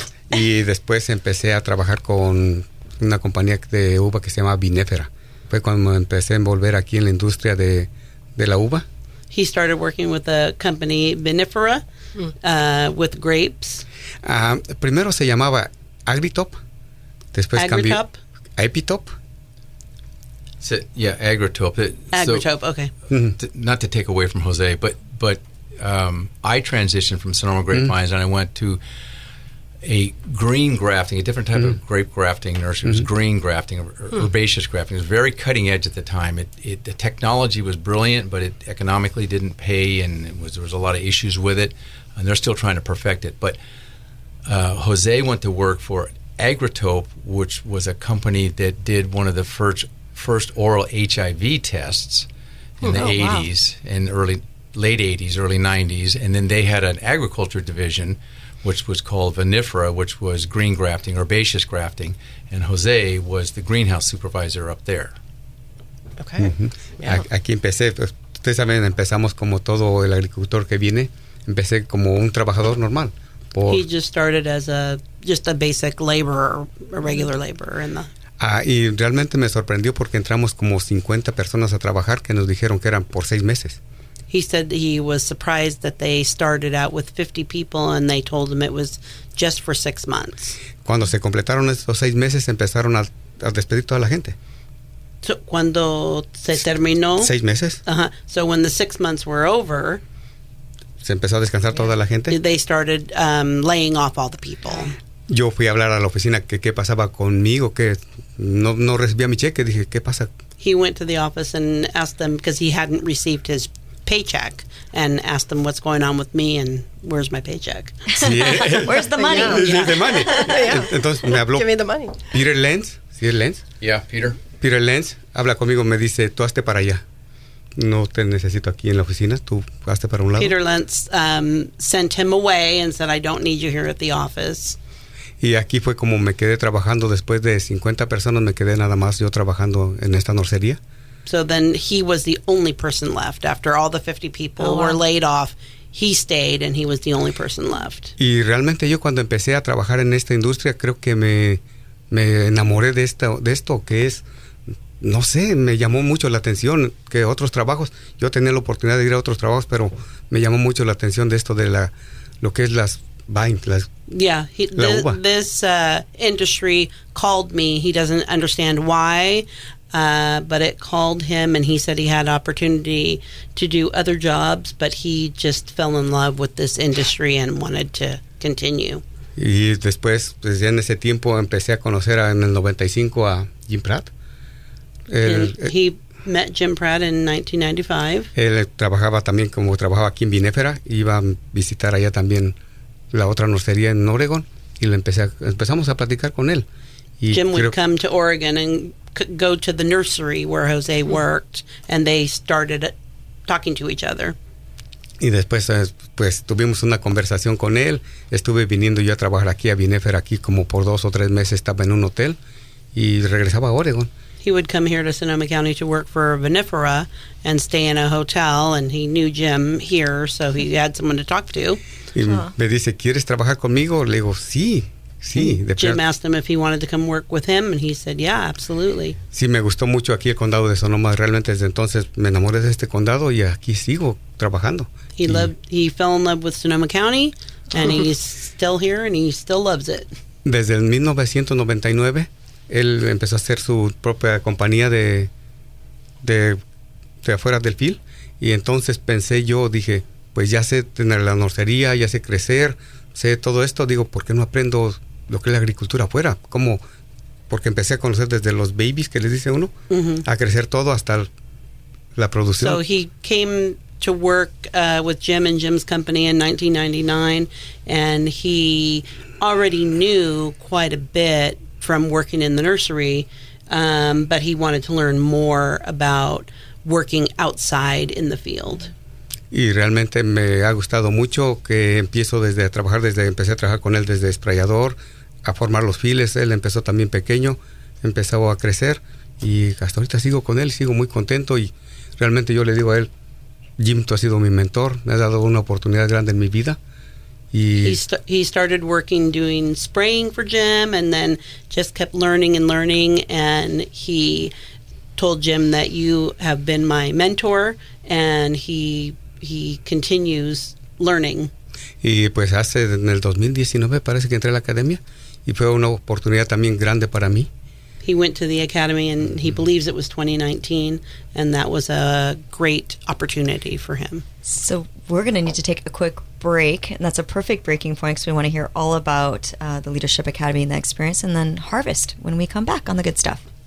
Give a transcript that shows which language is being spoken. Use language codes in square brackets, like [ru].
[es] Y después empecé a trabajar con una compañía de uva que se llama Vinifera. Fue cuando empecé a envolver aquí en la industria de la uva. [en] He started working with a company, Vinifera, with grapes. [es] Primero se llamaba Agritop. Después cambió Epitop. Agritope. [en] Okay. Not to take away from Jose, but I transitioned from Sonoma grapevines and I went to a green grafting, a different type of grape grafting nursery. It was green grafting, herbaceous grafting. It was very cutting edge at the time. The technology was brilliant, but it economically didn't pay, and there was a lot of issues with it, and they're still trying to perfect it. But Jose went to work for Agritope, which was a company that did one of the first oral HIV tests in the 80s and late 80s, early 90s. And then they had an agriculture division, which was called Vinifera, which was green grafting, herbaceous grafting. And Jose was the greenhouse supervisor up there. Okay. Mm-hmm. [es] Yeah. Aquí empecé. Ustedes saben, empezamos como todo el agricultor que viene. Empecé como un trabajador normal. [en] He just started as a basic laborer, a regular laborer in the... [es] Y realmente me sorprendió porque entramos como 50 personas a trabajar que nos dijeron que eran por 6 meses. [en] He said he was surprised that they started out with 50 people and they told him it was just for 6 months. [es] Cuando se completaron estos 6 meses empezaron a despedir toda la gente. So, cuando se terminó... 6 meses. Uh-huh. [en] So when the 6 months were over... [es] Se empezó a descansar toda la gente. [en] They started laying off all the people. [es] Yo fui a hablar a la oficina qué pasaba conmigo, que no recibía mi cheque. Dije, ¿qué pasa? [en] He went to the office and asked them, because he hadn't received his paycheck, and asked them, what's going on with me and where's my paycheck? Sí, where's the money? Yeah. Yeah. The money. Yeah. [es] Entonces me habló. [en] Give me the money. [es] Peter Lenz. ¿Sí es Lenz? [en] Yeah, Peter. [es] Peter Lenz habla conmigo, me dice, tú hazte para allá. No te necesito aquí en la oficina, tú hazte para un lado. [en] Peter Lenz sent him away and said, I don't need you here at the office. [es] Y aquí fue como me quedé trabajando después de 50 personas, me quedé nada más yo trabajando en esta nursería. [en] So then he was the only person left. After all the 50 people were laid off, he stayed and he was the only person left. [es] Y realmente yo cuando empecé a trabajar en esta industria, creo que me enamoré de esto que es, no sé, me llamó mucho la atención que otros trabajos, yo tenía la oportunidad de ir a otros trabajos, pero me llamó mucho la atención de esto de la lo que es las... [en] This industry called me. He doesn't understand why, but it called him, and he said he had opportunity to do other jobs, but he just fell in love with this industry and wanted to continue. [es] Y después, desde en ese tiempo, empecé a conocer en el 95 a Jim Pratt. [en] He met Jim Pratt in 1995. [es] Él trabajaba también como trabajaba aquí en Vinifera. Iba a visitar allá también la otra nursería en Oregon, y empezamos a platicar con él. Y [en] Jim would come to Oregon and go to the nursery where Jose worked, and they started talking to each other. [es] Y después, pues, tuvimos una conversación con él. Estuve viniendo yo a trabajar aquí, a Vinifera, aquí como por 2 o 3 meses estaba en un hotel, y regresaba a Oregon. [en] He would come here to Sonoma County to work for Vinifera and stay in a hotel, and he knew Jim here, so he had someone to talk to. [es] Y me dice, ¿quieres trabajar conmigo? Le digo, sí. [en] Jim asked him if he wanted to come work with him, and he said, yeah, absolutely. [es] Sí, me gustó mucho aquí el condado de Sonoma. Realmente desde entonces me enamoré de este condado y aquí sigo trabajando. [en] He fell in love with Sonoma County, and he's still here, and he still loves it. [es] Desde el 1999, él empezó a hacer su propia compañía de afuera del field, y entonces pensé yo, dije... Pues ya sé tener la nursería, ya sé crecer, sé todo esto. Digo, ¿por qué no aprendo lo que es la agricultura afuera? ¿Cómo? Porque empecé a conocer desde los babies, que les dice uno, a crecer todo hasta la producción. [en] So he came to work with Jim and Jim's company in 1999, and he already knew quite a bit from working in the nursery, but he wanted to learn more about working outside in the field. [es] Y realmente me ha gustado mucho que empiezo desde a trabajar, desde empecé a trabajar con él desde esprayador, a formar los files. Él empezó también pequeño, empezó a crecer y hasta ahorita sigo con él, sigo muy contento. Y realmente yo le digo a él, Jim, tú has sido mi mentor, me has dado una oportunidad grande en mi vida. Y [en] he started working doing spraying for Jim and then just kept learning and learning, and he told Jim that you have been my mentor, and he continues learning. [es] Y pues hace en el 2019 parece que entré a la academia y fue una oportunidad también grande para mí. [en] He went to the academy and he believes it was 2019, and that was a great opportunity for him. So we're going to need to take a quick break, and that's a perfect breaking point because we want to hear all about the Leadership Academy and the experience, and then Harvest when we come back on The Good Stuff.